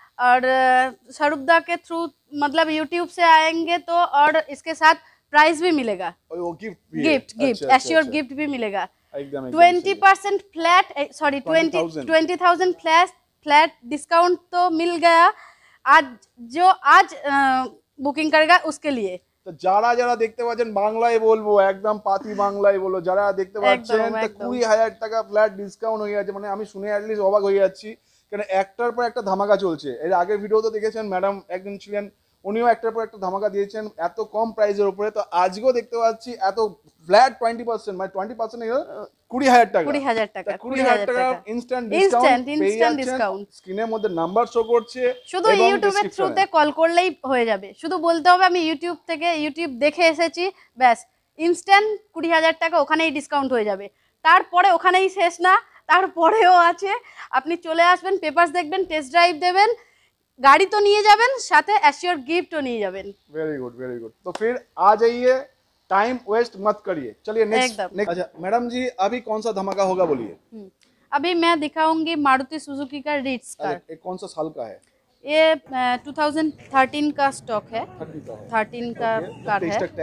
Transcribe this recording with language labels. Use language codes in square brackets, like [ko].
[hi] और स्वरूप दा के थ्रू मतलब यूट्यूब से आएंगे तो, और इसके साथ प्राइस भी मिलेगा, गिफ्ट एश्योर गिफ्ट भी मिलेगा। 20% फ्लैट, सॉरी 20,000 फ्लैट डिस्काउंट तो मिल गया आज, जो आज बुकिंग करेगा उसके लिए। तो जारा जारा देखते हुए बांग्लाई बोलो, [bn] একদম পাতি বাংলাই বলো, যারা দেখতে পাচ্ছেন 20,000 টাকা ফ্ল্যাট ডিসকাউন্ট হয়ে গেছে। মানে আমি শুনে অ্যাট লিস্ট অবাক হয়ে যাচ্ছি, কারণ একটার পর একটা ধামাকা চলছে। এর আগে ভিডিও তো দেখেছেন, ম্যাডাম একদিন ছিলেন, উনিও একটার পর একটা ধামাকা দিয়েছেন এত কম প্রাইসের উপরে। তো আজকেও দেখতে পাচ্ছি এত ফ্ল্যাট 20% মানে 20% হলো 20,000 টাকা। 20,000 টাকা ইনস্ট্যান্ট ডিসকাউন্ট। স্ক্রিনের মধ্যে নাম্বার শো করছে, শুধু ইউটিউবের থ্রুতে কল করলেই হয়ে যাবে। শুধু বলতে হবে আমি ইউটিউব থেকে, ইউটিউব দেখে এসেছি, ব্যাস ইনস্ট্যান্ট 20,000 টাকা ওখানেই ডিসকাউন্ট হয়ে যাবে। তারপরে ওখানেই শেষ না, তারপরেও আছে। আপনি চলে আসবেন, পেপার্স দেখবেন, টেস্ট ড্রাইভ দেবেন, গাড়ি তো নিয়ে যাবেন, সাথে অ্যাসিওর গিফটও নিয়ে যাবেন। Very good, very good. [hi] তো ফির আ যাইয়ে, टाइम वेस्ट मत करिए, चलिए नेक्स्ट। अच्छा मैडम जी, अभी कौन सा धमाका होगा बोलिए? अभी मैं दिखाऊंगी मारुति सुजुकी का रिट्स कार। ये कौन सा साल का है? ये 2013 का स्टॉक है, 13 का कार है।